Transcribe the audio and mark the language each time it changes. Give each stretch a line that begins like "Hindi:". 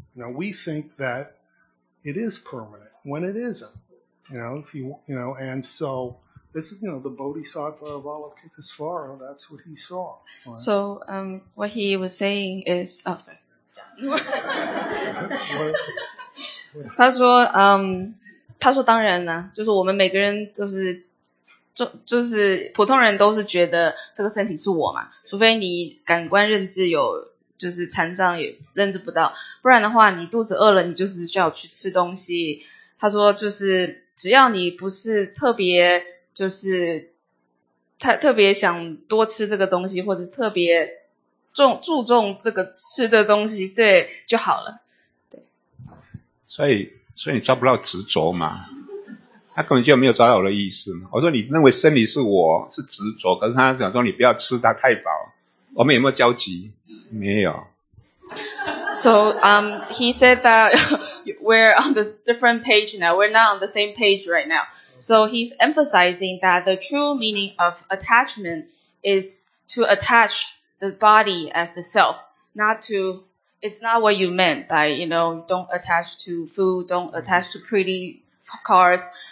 English: You know, we think that it is permanent when it isn't. You know, and so This is, you know, the Bodhisattva of Avalokiteshvara, that's what he saw. Right? So what he was saying is, oh, sorry.
Chinese: 他说当然呢，就是我们每个人都是就是普通人都是觉得这个身体是我嘛，除非你感官认知有就是残障也认知不到，不然的话你肚子饿了你就是需要去吃东西。他说就是只要你不是特别就是特别想多吃这个东西，或者特别注重这个吃的东西，对就好了。对，所以你抓不到执着嘛，他根本就没有抓到我的意思嘛。我说你认为身体是我是执着，可是他想说你不要吃它太饱，我们有没有交集？没有。
English: So he said that we're on the different page now. We're not on the same page right now. So he's emphasizing that the true meaning of attachment is to attach the body as the self, it's not what you meant by, you know, don't attach to food, don't attach to pretty cars.